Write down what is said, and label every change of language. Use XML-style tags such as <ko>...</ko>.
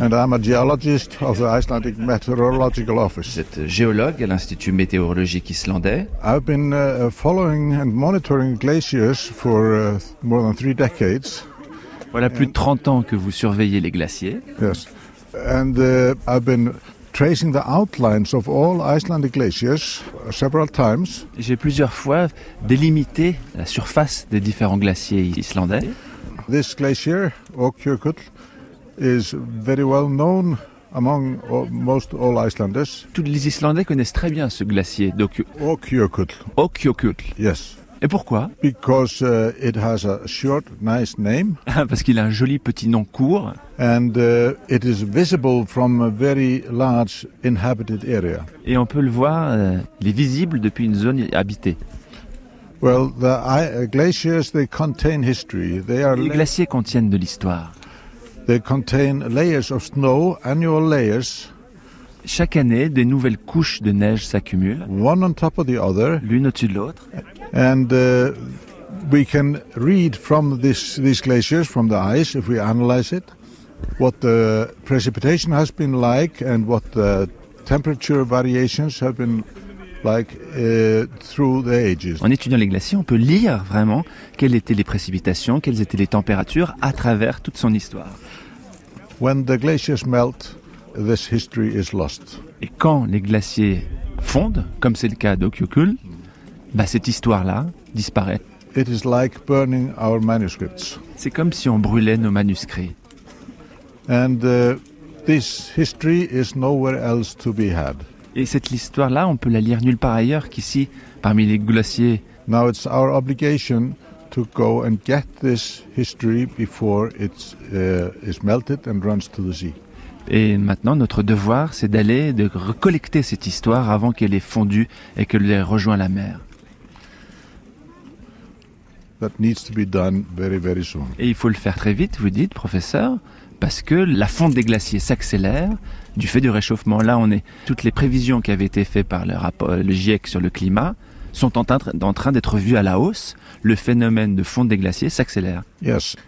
<en>And I'm a geologist of the Icelandic Meteorological Office.</en> <fr>Vous êtes géologue à l'Institut météorologique islandais.</fr> <en>I've been following and monitoring glaciers for more than 3 decades.</en> <fr>Voilà plus de 30 ans que vous surveillez les glaciers.</fr> <en>Yes. And I've been tracing the outlines of all Icelandic glaciers several times.</en> <fr>J'ai plusieurs fois délimité la surface des différents glaciers islandais.</fr> <en>This glacier, Ókjökull, is very well known among most all Icelanders.</en> <fr>Tous les Islandais connaissent très bien ce glacier d'Ókjökull. Ókjökull.</fr> <en>Yes.</en> <fr>Et pourquoi?</fr> <en>Because it has a short, nice name.</en> <fr>Parce qu'il a un joli petit nom court.</fr> <en>And it is visible from a very large inhabited area.</en> <fr>Et on peut le voir, il est visible depuis une zone habitée.</fr> <en>Well, the glaciers they contain history. They are.</en> <fr>Les glaciers contiennent de l'histoire.</fr> <en>They contain layers of snow, annual layers.</en> <fr>Chaque année, des nouvelles couches de neige s'accumulent.</fr> <en>One on top of the other.</en> <fr>L'une au-dessus de l'autre.</fr> <en>And we can read from these glaciers, from the ice, if we analyze it, what the precipitation has been like and what the temperature variations have been. Through the ages.</en> <fr>En étudiant les glaciers, on peut lire vraiment quelles étaient les précipitations, quelles étaient les températures à travers toute son histoire.</fr> <en>When the glaciers melt, this history is lost.</en> <fr>Et quand les glaciers fondent, comme c'est le cas d'Ókjökull, cette histoire-là disparaît.</fr> <en>It is like burning our manuscripts.</en> <fr>C'est comme si on brûlait nos manuscrits.</fr> <en>And this history is nowhere else to be had.</en> <fr>Et cette histoire-là, on peut la lire nulle part ailleurs qu'ici, parmi les glaciers.</fr> <en>Now it's our obligation to go and get this history before it's is melted and runs to the sea.</en> <fr>Et maintenant, notre devoir, c'est d'aller de recollecter cette histoire avant qu'elle ait fondu et qu'elle ait rejoint la mer.</fr> <en>That needs to be done very, very soon.</en> <fr>Et il faut le faire très vite, vous dites, professeur. Parce que la fonte des glaciers s'accélère du fait du réchauffement. Là, on est toutes les prévisions qui avaient été faites par le rapport, le GIEC sur le climat, sont en train d'être vues à la hausse. Le phénomène de fonte des glaciers s'accélère.</fr> <en>Yes.</en>